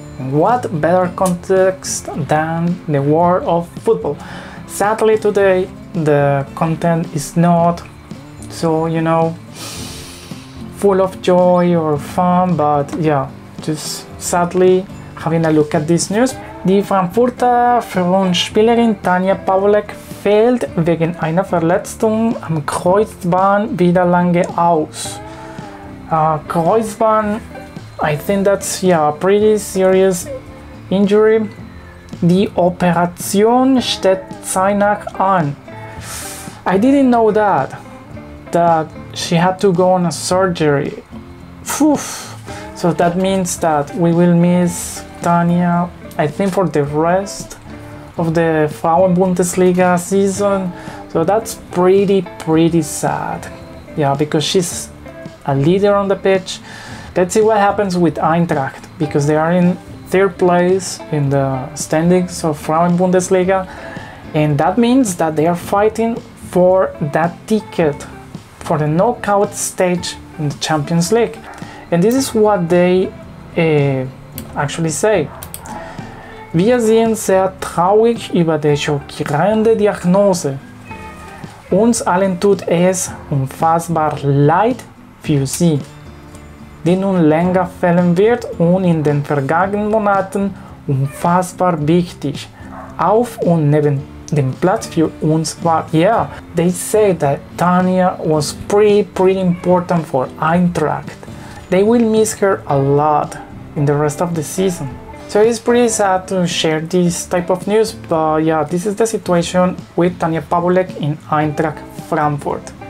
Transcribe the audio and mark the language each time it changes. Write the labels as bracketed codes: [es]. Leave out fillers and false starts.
[en] What better context than the world of football? Sadly, today the content is not so, you know, full of joy or fun, but yeah, just sadly having a look at this news. [de] Die Frankfurter Frauenspielerin Tanja Pawollek fällt wegen einer Verletzung am Kreuzband wieder lange aus. [en] Kreuzband, I think that's a pretty serious injury. [de] Die Operation steht Zeinach an. [en] I didn't know that she had to go on a surgery. Phew. So that means that we will miss Tanja, I think, for the rest of the Frauen-Bundesliga season. So that's pretty, pretty sad. Yeah, because she's a leader on the pitch. Let's see what happens with Eintracht, because they are in third place in the standings of Frauen-Bundesliga, and that means that they are fighting for that ticket for the knockout stage in the Champions League. And this is what they actually say. [de] Wir sind sehr traurig über die schockierende Diagnose. Uns allen tut es unfassbar leid für sie, die nun länger fehlen wird und in den vergangenen Monaten unfassbar wichtig auf und neben dem Platz für uns war. [en] Yeah, they say that Tanja was pretty important for Eintracht. They will miss her a lot in the rest of the season. So it's pretty sad to share this type of news, but yeah, this is the situation with Tanja Pawollek in Eintracht Frankfurt.